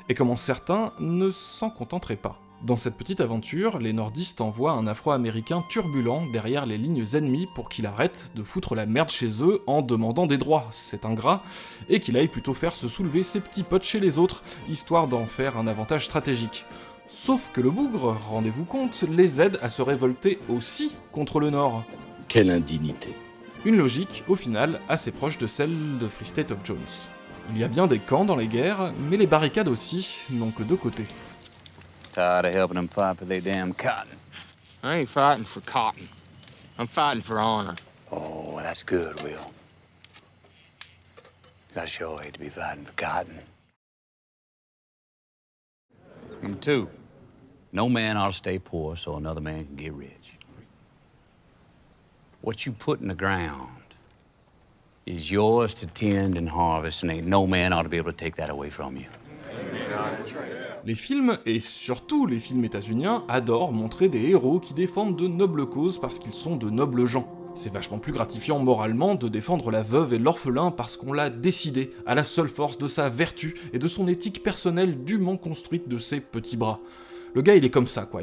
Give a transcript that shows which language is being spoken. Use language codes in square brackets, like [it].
[fr] Et comment certains ne s'en contenteraient pas. Dans cette petite aventure, les nordistes envoient un afro-américain turbulent derrière les lignes ennemies pour qu'il arrête de foutre la merde chez eux en demandant des droits, c'est ingrat, et qu'il aille plutôt faire se soulever ses petits potes chez les autres, histoire d'en faire un avantage stratégique. Sauf que le bougre, rendez-vous compte, les aide à se révolter aussi contre le Nord. Quelle indignité. Une logique, au final, assez proche de celle de Free State of Jones. Il y a bien des camps dans les guerres, mais les barricades aussi n'ont que deux côtés. [en] Tired of helping them fight for their damn cotton. I ain't fighting for cotton. I'm fighting for honor. Oh, that's good, Will. I sure hate to be fighting for cotton. Number two, no man ought to stay poor so another man can get rich. What you put in the ground is yours to tend and harvest, and ain't no man ought to be able to take that away from you. [fr] Les films, et surtout les films états-uniens, adorent montrer des héros qui défendent de nobles causes parce qu'ils sont de nobles gens. C'est vachement plus gratifiant moralement de défendre la veuve et l'orphelin parce qu'on l'a décidé, à la seule force de sa vertu et de son éthique personnelle dûment construite de ses petits bras. Le gars, il est comme ça, quoi.